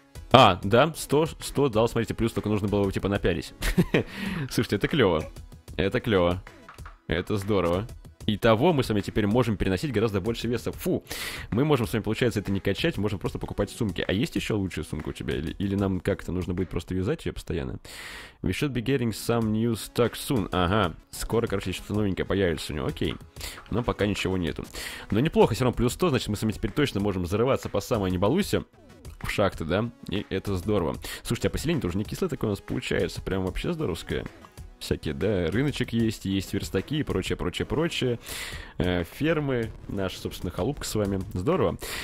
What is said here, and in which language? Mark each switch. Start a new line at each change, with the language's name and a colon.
Russian: А, да, 100 дал, смотрите, плюс только нужно было его типа напялить. Слушайте, это клево. Это клево. Это здорово. Итого мы с вами теперь можем переносить гораздо больше веса. Фу, мы можем с вами, получается, это не качать, можем просто покупать сумки. А есть еще лучшая сумка у тебя? Или нам как-то нужно будет просто вязать ее постоянно?
English: We should be getting some new stock soon.
Russian: Ага, скоро, короче, что-то новенькое появится у него, окей. Но пока ничего нету. Но неплохо, все равно плюс 100, значит, мы с вами теперь точно можем зарываться по самой небалусе в шахты, да? И это здорово. Слушайте, а поселение тоже не кислое такое у нас получается, прям вообще здоровское. Всякие, да, рыночек есть, есть верстаки и прочее. Фермы, наша, собственно, халупка с вами. Здорово.